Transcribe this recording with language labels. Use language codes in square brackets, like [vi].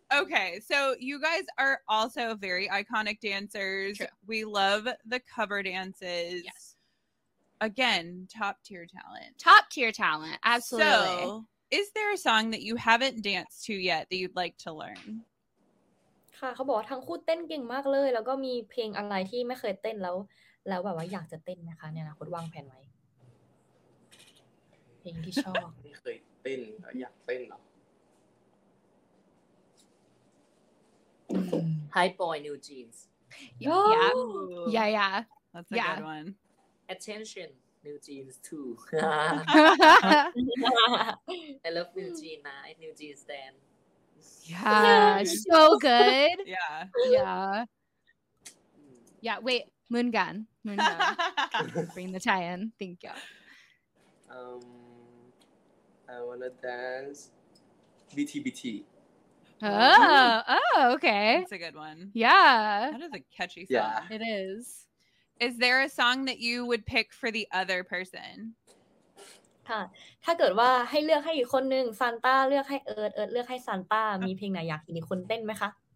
[en] Okay, so you guys are also very iconic dancers. True. We love the cover dances. Yes. Again, top tier talent. Top tier talent. Absolutely. So, is there a song that you haven't danced to yet that you'd like to learn? [th] ค่ะเขาบอกทั้งคู่เต้นเก่งมากเลยแล้วก็มีเพลงอะไรที่ไม่เคยเต้นแล้วแบบว่าอยากจะเต้นนะคะในอนาคตวางแผนไว้เพลงที่ชอบ ไม่เคยเต้นอยากเต้นหรอ [en] Hi boy, new jeans. Yeah. Yeah. Yeah, yeah. That's a good one. Attention, new jeans too. I love new jeans, man. New jeans then. Yeah, so good. Yeah. Wait, Moongan. Bring the tie-in. Thank you. I wanna dance. BTBT. Oh, okay. That's a good one. Yeah. That is a catchy song. Yeah. It is. Is there a song that you would pick for the other person? [th] ค่ะถ้าเกิดว่าให้เลือกให้อีกคนนึงซานต้าเลือกให้เอิร์ดเลือกให้ซานต้ามีเพลงไหนอยากเห็นอีกคนเต้นไหมคะ